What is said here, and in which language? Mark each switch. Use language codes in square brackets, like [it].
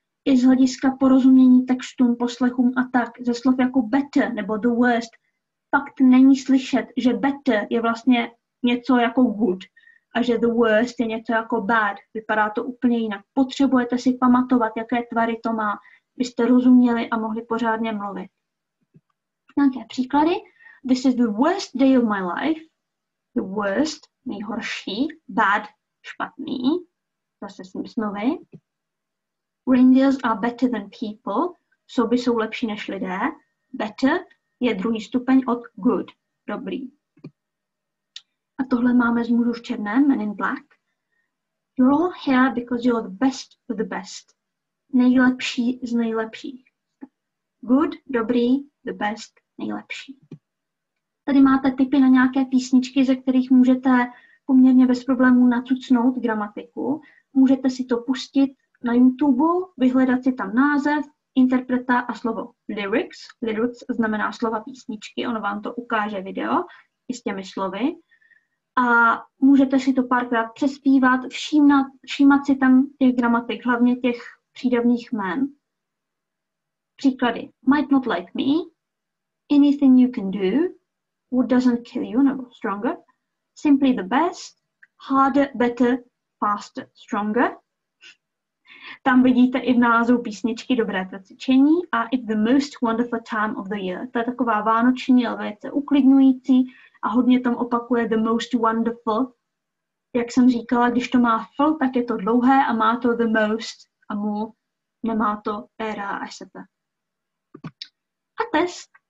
[cs] I z hlediska porozumění textům, poslechům a tak, ze slov jako better nebo the worst, fakt není slyšet, že better je vlastně něco jako good a že the worst je něco jako bad. Vypadá to úplně jinak. Potřebujete si pamatovat, jaké tvary to má, byste rozuměli a mohli pořádně mluvit. Nějaké příklady. [en] This is the worst day of my life. The worst, [cs] nejhorší. Bad, špatný. Zase s ním snovy. [en] Reindeers are better than people. [cs] Soby jsou lepší než lidé. Better je druhý stupeň od good. Dobrý. A tohle máme z mužů v černém, [en] men in black. You're all here because you're the best of the best. [cs] Nejlepší z nejlepších. Good, dobrý, the best, nejlepší. Tady máte tipy na nějaké písničky, ze kterých můžete poměrně bez problémů nacucnout gramatiku. Můžete si to pustit na YouTube, vyhledat si tam název, interpreta a slovo lyrics. Lyrics znamená slova písničky, ono vám to ukáže video i s těmi slovy. A můžete si to párkrát přespívat, všímat si tam těch gramatik, hlavně těch přídavných jmen. Příklady. [en] Might not like me. Anything you can do. What doesn't kill you, [cs] nebo [en] stronger. Simply the best. Harder, better, faster, stronger. [cs] Tam vidíte i v názvu písničky dobré cvičení. [en] A it's the most wonderful time of the year. [cs] To je taková vánoční, ale velice uklidňující. A hodně tam opakuje [en] the most wonderful. [cs] Jak jsem říkala, když to má full, tak je to dlouhé a má to the most. A mu nemá to era a sp. A test.